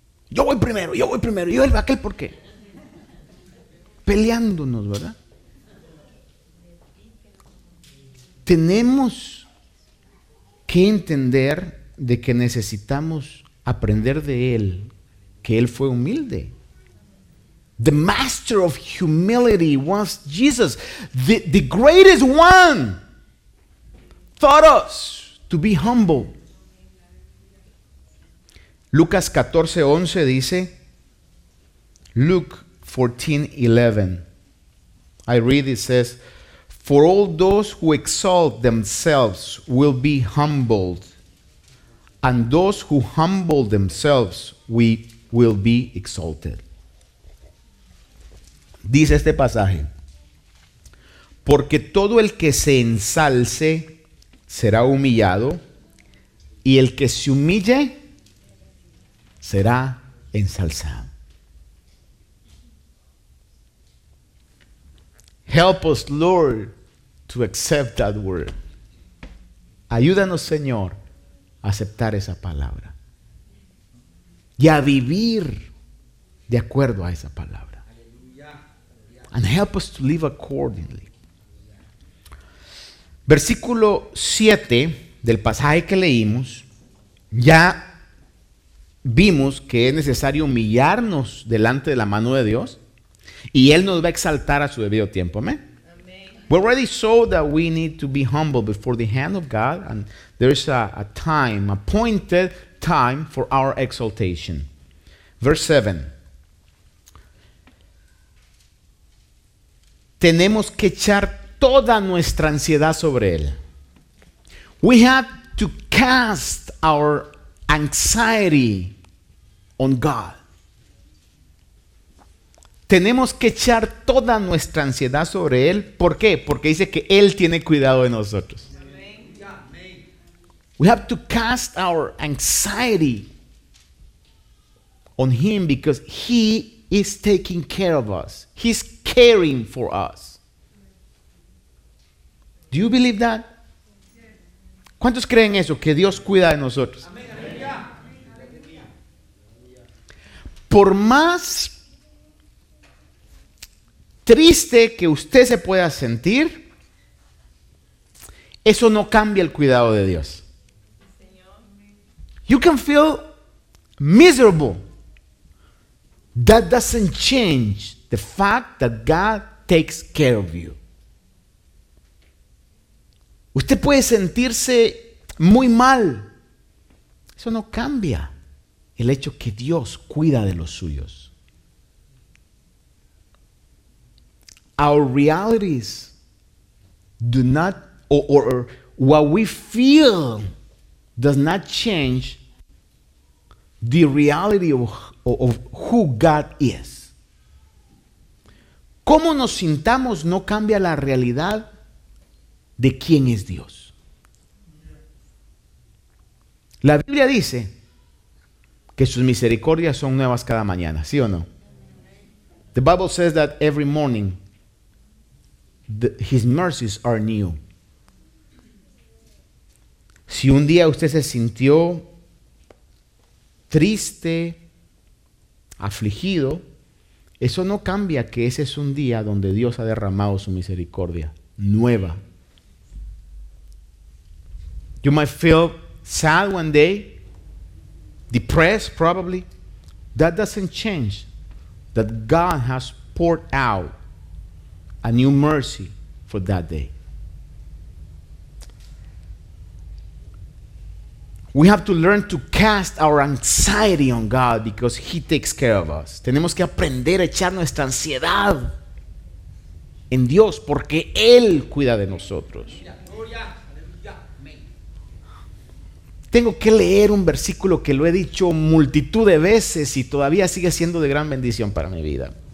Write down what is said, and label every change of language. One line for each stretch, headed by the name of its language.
Spanish: Yo voy primero, yo el aquel, ¿por qué? Peleándonos, ¿verdad? Tenemos que entender de que necesitamos aprender de Él, que Él fue humilde.
English: The master of humility was Jesus. The greatest one taught us to be humble.
Spanish: Lucas 14:11 dice,
English: Luke 14:11. I read, it says, "For all those who exalt themselves will be humbled, and those who humble themselves we will be exalted."
Spanish: Dice este pasaje, porque todo el que se ensalce será humillado, y el que se humille será ensalzado.
English: Help us, Lord, to accept that word.
Spanish: Ayúdanos, Señor, a aceptar esa palabra y a vivir de acuerdo a esa palabra.
English: And help us to live accordingly.
Spanish: Versículo 7 del pasaje que leímos, ya vimos que es necesario humillarnos delante de la mano de Dios y Él nos va a exaltar a su debido tiempo. Amén.
English: We already saw that we need to be humble before the hand of God, and there is a time, appointed time for our exaltation. Verse 7.
Spanish: Tenemos que echar toda nuestra ansiedad sobre Él.
English: We have to cast our anxiety on God.
Spanish: Tenemos que echar toda nuestra ansiedad sobre Él. ¿Por qué? Porque dice que Él tiene cuidado de nosotros.
English: We have to cast our anxiety on Him because He is taking care of us. He's caring for us. Do you believe that?
Spanish: ¿Cuántos creen eso? Que Dios cuida de nosotros. Por más triste que usted se pueda sentir, eso no cambia el cuidado de Dios.
English: You can feel miserable. That doesn't change the fact that God takes care of you.
Spanish: Usted puede sentirse muy mal. Eso no cambia el hecho que Dios cuida de los suyos.
English: Our realities do not, or what we feel does not change the reality of who God is.
Spanish: Cómo nos sintamos no cambia la realidad de quién es Dios. La Biblia dice que sus misericordias son nuevas cada mañana, ¿sí o no?
English: The Bible says that every morning His mercies are new.
Spanish: Si un día usted se sintió triste, afligido, eso no cambia que ese es un día donde Dios ha derramado su misericordia nueva.
English: You might feel sad one day, depressed probably. That doesn't change that God has poured out a new mercy for that day. We have to learn to cast our anxiety on God because He takes care of us.
Spanish: Tenemos que aprender a echar nuestra ansiedad en Dios porque Él cuida de nosotros. Tengo que leer un versículo que lo he dicho multitud de veces y todavía sigue siendo de gran bendición para mi vida.